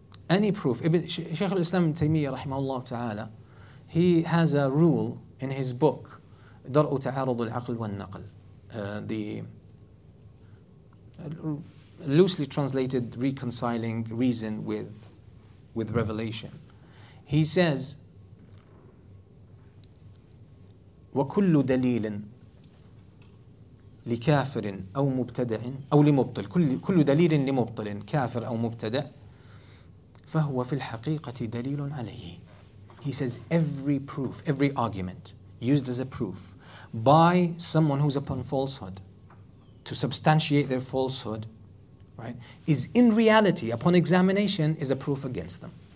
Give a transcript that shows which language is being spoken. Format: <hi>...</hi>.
<en>Any proof, Shaykh al-Islam ibn Taymiyyah rahimahullah ta'ala, he has a rule in his book, Dar'u ta'arud al-aql wal-naql, the loosely translated reconciling reason with revelation. He says,</en> <ar>وكل دليل لكافر أو مبتدع أو لمبطل كل دليل لمبطل كافر أو مبتدع فهو في الحقيقة دليل عليه.</ar> <en>He says every proof, every argument used as a proof by someone who's upon falsehood to substantiate their falsehood, right, is in reality upon examination is a proof against them.</en>